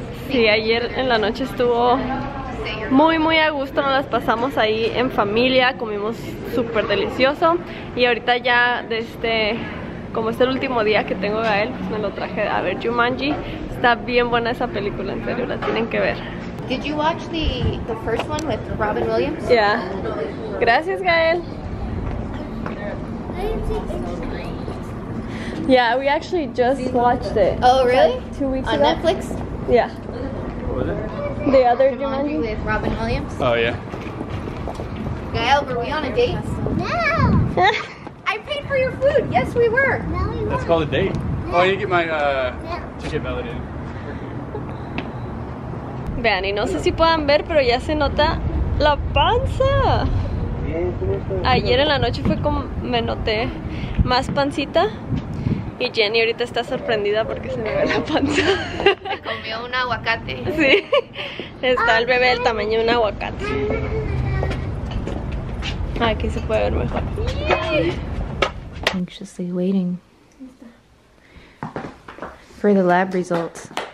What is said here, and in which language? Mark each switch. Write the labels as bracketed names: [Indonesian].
[Spanish] Sí, ayer en la noche estuvo muy muy a gusto, nos las pasamos ahí en familia, comimos súper delicioso y ahorita ya como es el último día que tengo a Gael, pues me lo traje a ver Jumanji. Está bien buena esa película, en serio, la tienen que ver. [English] Did you watch the first one with Robin Williams? Yeah. [Spanish] Gracias, [English] Gael. Yeah, we actually just watched it. Oh, really? Like 2 weeks on ago. On Netflix? Yeah. The other Jumanji with Robin Williams? Oh, yeah. Gael, were we on a date? No! I paid for your food. Yes, we were. No, we weren't. That's called a date. Yeah. Oh, I need to get my ticket validated. [Spanish] Vean, y no sé si puedan ver, pero ya se nota la panza. Ayer en la noche fue como me noté más pancita. Y Jenny ahorita está sorprendida porque se me ve la panza. Me comió un aguacate. Sí, está el bebé del tamaño de un aguacate. Aquí se puede ver mejor. [English] Anxiously waiting for the lab results.